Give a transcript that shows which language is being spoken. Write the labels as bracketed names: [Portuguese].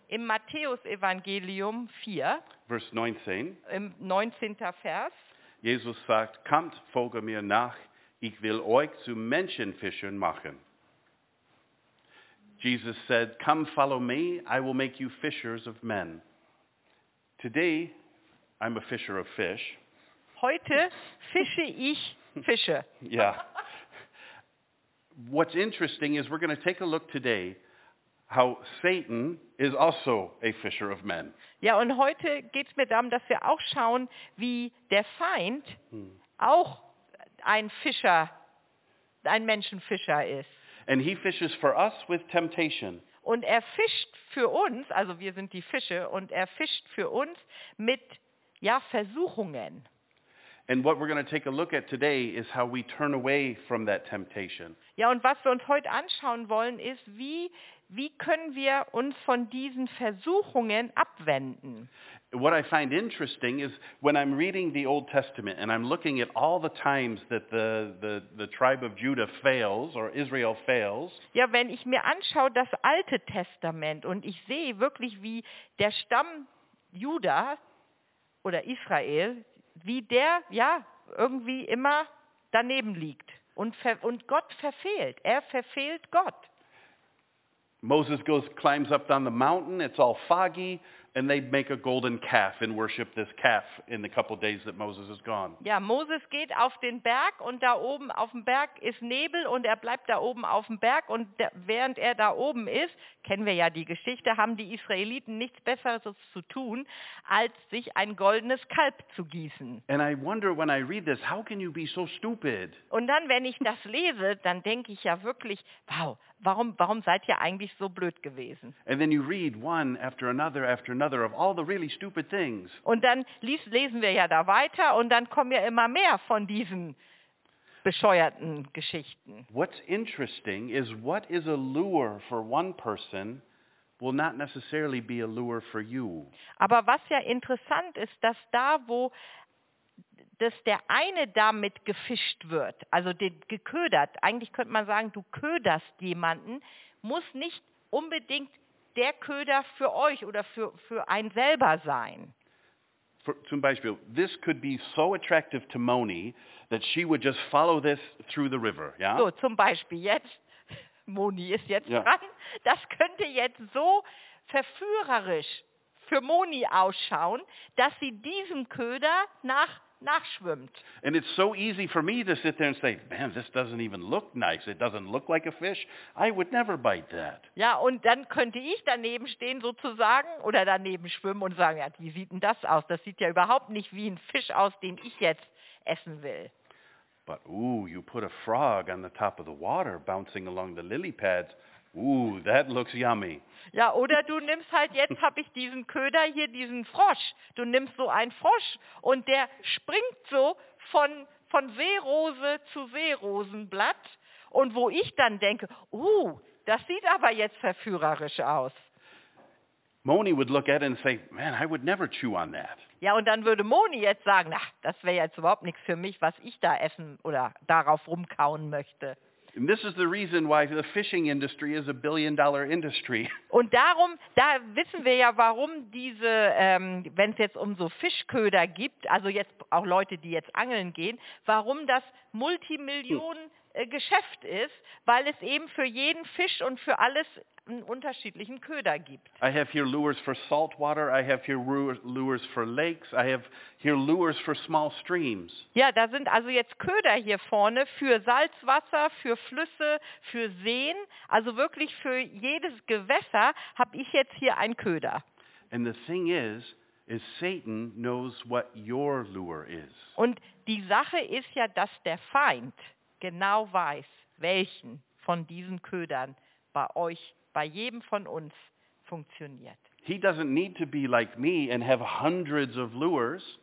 [German] im Matthäus-Evangelium 4, Vers 19, im 19. Vers, Jesus sagt, kommt, folge mir nach, ich will euch zu Menschenfischern machen. [English] Jesus said, come, follow me, I will make you fishers of men. Today, I'm a fisher of fish. [German] Heute fische ich Fische. Yeah. [English] What's interesting is we're going to take a look today how Satan is also a fisher of men. [German] Ja, und heute geht's mir darum, dass wir auch schauen, wie der Feind auch ein Fischer, ein Menschenfischer ist. [English] And he fishes for us with temptation. [German] Und er fischt für uns, also wir sind die Fische, und er fischt für uns mit, ja, Versuchungen. [English] And what we're going to take a look at today is how we turn away from that temptation. [German] Ja, und was wir uns heute anschauen wollen, ist, wie können wir uns von diesen Versuchungen abwenden? [English] What I find interesting is when I'm reading the Old Testament and I'm looking at all the times that the tribe of Judah fails or Israel fails. [German] Ja, wenn ich mir anschaue das Alte Testament und ich sehe wirklich, wie der Stamm Juda oder Israel, wie der, ja, irgendwie immer daneben liegt und Gott verfehlt. Er verfehlt Gott. [English] Moses goes, climbs up on the mountain, it's all foggy, and they make a golden calf and worship this calf in the couple days that Moses is gone. [German] Ja, Moses geht auf den Berg und da oben auf dem Berg ist Nebel und er bleibt da oben auf dem Berg und während er da oben ist, kennen wir ja die Geschichte, haben die Israeliten nichts Besseres zu tun, als sich ein goldenes Kalb zu gießen. [English] And I wonder when I read this, how can you be so stupid? [German] Und dann, wenn ich das lese, dann denke ich ja wirklich, wow, warum seid ihr eigentlich so blöd gewesen? [English] And then you read one after another after another of all the really stupid things. [German] Und dann lesen wir ja da weiter und dann kommen ja immer mehr von diesen bescheuerten Geschichten. [English] What's interesting is what is a lure for one person will not necessarily be a lure for you. [German] Aber was ja interessant ist, dass da, wo dass der eine damit gefischt wird, also geködert, eigentlich könnte man sagen, du köderst jemanden, muss nicht unbedingt der Köder für euch oder für einen selber sein. Zum Beispiel, [English] this could be so attractive to Moni that she would just follow this through the river. Yeah? [German] So, zum Beispiel jetzt, Moni ist jetzt dran, das könnte jetzt so verführerisch für Moni ausschauen, dass sie diesem Köder nachschwimmt. [English] And it's so easy for me to sit there and say, man, this doesn't even look nice. It doesn't look like a fish. I would never bite that. [German] Ja, und dann könnte ich daneben stehen sozusagen oder daneben schwimmen und sagen, ja, wie sieht denn das aus? Das sieht ja überhaupt nicht wie ein Fisch aus, den ich jetzt essen will. [English] But, ooh, you put a frog on the top of the water bouncing along the lily pads. Ooh, that looks yummy. [German] Ja, oder du nimmst halt, jetzt habe ich diesen Köder hier, diesen Frosch. Du nimmst so einen Frosch und der springt so von Seerose zu Seerosenblatt. Und wo ich dann denke, das sieht aber jetzt verführerisch aus. [English] Moni would look at it and say, man, I would never chew on that. [German] Ja, und dann würde Moni jetzt sagen, ach, das wäre jetzt überhaupt nichts für mich, was ich da essen oder darauf rumkauen möchte. [English] And this is the reason why the fishing industry is a billion-dollar industry. [German] Und darum, da wissen wir ja, warum diese, wenn es jetzt um so Fischköder gibt, also jetzt auch Leute, die jetzt angeln gehen, warum das Multimillionen-Geschäft ist, weil es eben für jeden Fisch und für alles einen unterschiedlichen Köder gibt. [English] I have here lures for saltwater, I have here lures for lakes, I have here lures for small streams. [German] Ja, da sind also jetzt Köder hier vorne für Salzwasser, für Flüsse, für Seen, also wirklich für jedes Gewässer habe ich jetzt hier einen Köder. [English] And the thing is Satan knows what your lure is. [German] Und die Sache ist ja, dass der Feind genau weiß, welchen von diesen Ködern bei euch, bei jedem von uns funktioniert. [English] He doesn't need to be like me and have hundreds of lures.